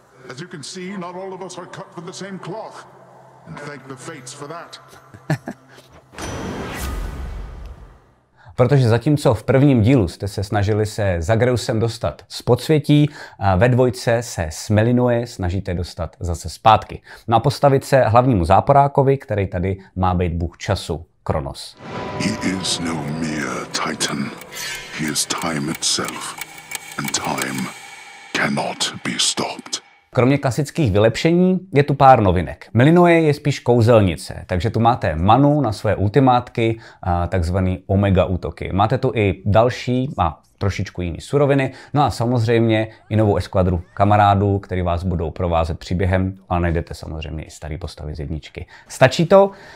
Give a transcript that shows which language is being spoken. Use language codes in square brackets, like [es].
[en] As you can see, not all of us are cut from the same cloth. And thank the fates for that. [cs] Protože zatímco v prvním dílu jste se snažili se Zagreusem dostat z podsvětí, ve 2 se Smelinuje snažíte dostat zase zpátky. No a postavit se hlavnímu záporákovi, který tady má být bůh času, Kronos. [en] He is no mere titan. He is time itself. And time cannot be stopped. [cs] Kromě klasických vylepšení je tu pár novinek. Melinoe je spíš kouzelnice, takže tu máte manu na svoje ultimátky, takzvaný omega útoky. Máte tu i další a trošičku jiný suroviny, no a samozřejmě i novou eskvadru kamarádů, který vás budou provázet příběhem, ale najdete samozřejmě i starý postavy z 1. Stačí to?